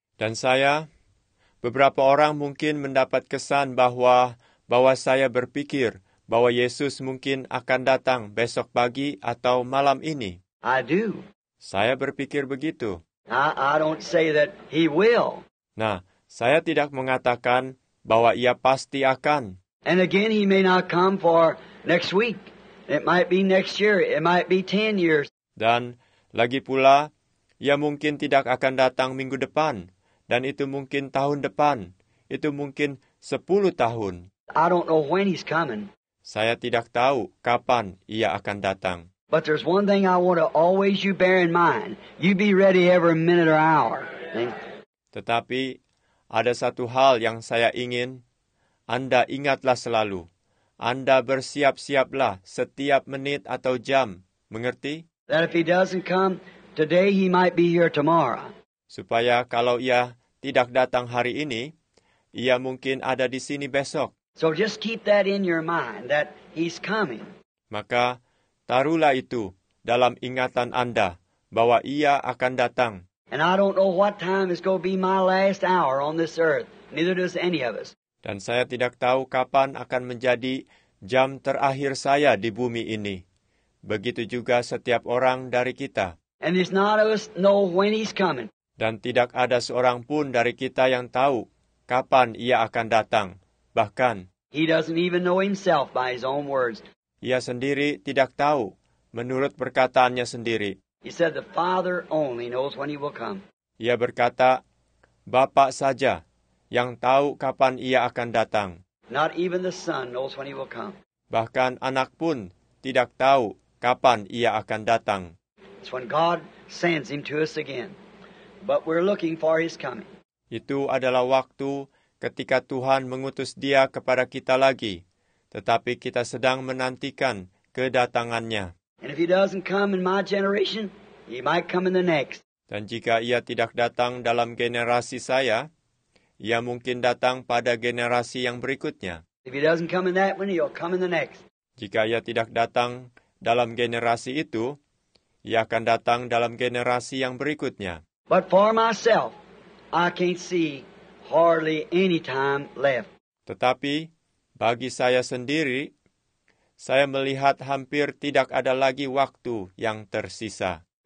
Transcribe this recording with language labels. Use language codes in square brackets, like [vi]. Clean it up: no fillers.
[id] Dan saya, beberapa orang mungkin mendapat kesan bahwa saya berpikir bahwa Yesus mungkin akan datang besok pagi atau malam ini. [en] I do. [id] Saya berpikir begitu. [en] I don't say that he will. [id] Nah, saya tidak mengatakan bahwa ia pasti akan. [en] And again, he may not come for next week. It might be next year. It might be 10 years. [id] Dan lagi pula, ia mungkin tidak akan datang minggu depan. Dan itu mungkin tahun depan. Itu mungkin 10 tahun. [en] I don't know when he's coming. [id] Saya tidak tahu kapan ia akan datang. [en] But there's one thing I want to always you bear in mind. You be ready every minute or hour. [id] Tetapi, ada satu hal yang saya ingin. Anda ingatlah selalu. Anda bersiap-siaplah setiap menit atau jam. Mengerti? [en] That if he doesn't come today, he might be here tomorrow. [id] Supaya kalau ia tidak datang hari ini, ia mungkin ada di sini besok. [en] So just keep that in your mind, that he's coming. [id] Maka, taruhlah itu dalam ingatan Anda, bahwa ia akan datang. [en] And I don't know what time is going to be my last hour on this earth. Neither does any of us. [id] Dan saya tidak tahu kapan akan menjadi jam terakhir saya di bumi ini. Begitu juga setiap orang dari kita. [en] And it's not us know when he's coming. [id] Dan tidak ada seorang pun dari kita yang tahu kapan ia akan datang. Bahkan, [en] he doesn't even know himself by his own words. [id] Ia sendiri tidak tahu, menurut perkataannya sendiri. [en] He said the Father only knows when he will come. [id] Ia berkata, Bapa saja yang tahu kapan ia akan datang. [en] Not even the Son knows when he will come. [id] Bahkan anak pun tidak tahu kapan ia akan datang. [en] It's when God sends him to us again. But we're looking for his coming. [id] Itu adalah waktu ketika Tuhan mengutus dia kepada kita lagi. Tetapi kita sedang menantikan kedatangannya. [en] And if he doesn't come in my generation, he might come in the next. [id] Dan jika ia tidak datang dalam generasi saya, ia mungkin datang pada generasi yang berikutnya. [en] If he doesn't come in that one, he'll come in the next. [id] Jika ia tidak datang dalam generasi itu, ia akan datang dalam generasi yang berikutnya. [en] But for myself, I can't see hardly any time left. [id] Tetapi bagi saya sendiri, saya melihat hampir tidak ada lagi waktu yang tersisa.